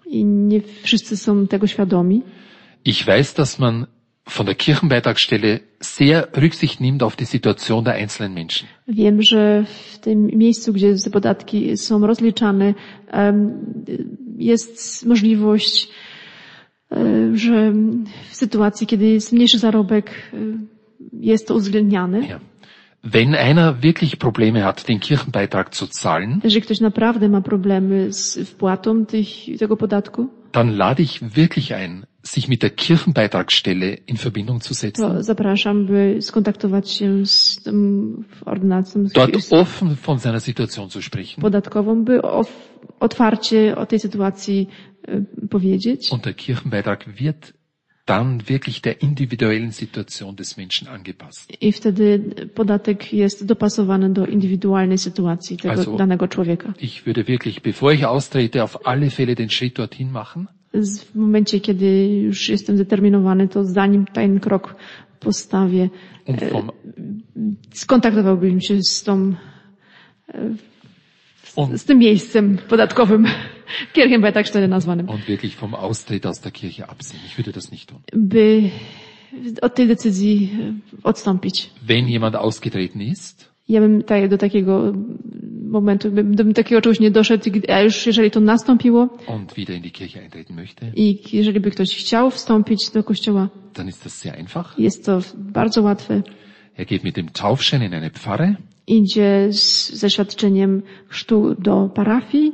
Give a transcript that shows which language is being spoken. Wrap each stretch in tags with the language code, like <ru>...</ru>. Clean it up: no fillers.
<pl>I nie wszyscy są tego świadomi.</pl> <de>Ich weiß, dass man von der Kirchenbeitragsstelle sehr Rücksicht nimmt auf die Situation der einzelnen Menschen.</de> <pl>Wiem, że w tym miejscu, gdzie te podatki są rozliczane, jest możliwość, że w sytuacji, kiedy jest mniejszy zarobek, jest to uwzględniane.</pl> <de>Ja. Wenn einer wirklich Probleme hat, den Kirchenbeitrag zu zahlen,</de> <pl>jeżeli ktoś naprawdę ma problemy z wpłatą tego podatku,</pl> <de>dann lade ich wirklich ein, sich mit der Kirchenbeitragsstelle in Verbindung zu setzen.</de> <pl>Zapraszam, by skontaktować się z tym ordynacją.</pl> <de>Dort offen von seiner Situation zu sprechen.</de> <pl>Podatkową, by otwarcie o tej sytuacji powiedzieć.</pl> <de>Und der Kirchenbeitrag wird dann wirklich der individuellen Situation des Menschen angepasst.</de> <pl>I wtedy podatek jest dopasowany do indywidualnej sytuacji tego danego człowieka.</pl> <de>Ich würde wirklich, bevor ich austrete, auf alle Fälle den Schritt dorthin machen.</de> <pl>W momencie, kiedy już jestem zdeterminowany, to zanim ten krok postawię, skontaktowałbym się z tym miejscem podatkowym, Kirchenbeitragsstelle nazwanym.</pl> <de>Und wirklich vom Austritt aus der Kirche absehen. Ich würde das nicht tun.</de> <pl>By od tej decyzji odstąpić.</pl> <de>Wenn jemand ausgetreten ist,</de> <pl>ja bym do takiego momentu, bym takiego czegoś nie doszedł, a już jeżeli to nastąpiło</pl> <de>und wieder in die Kirche eintreten möchte,</de> <pl>i jeżeli by ktoś chciał wstąpić do kościoła,</pl> <de>dann ist das sehr einfach.</de> <pl>Jest to bardzo łatwe.</pl> <de>Er geht mit dem Taufschein in eine Pfarre,</de> <pl>idzie ze świadczeniem chrztu do parafii</pl>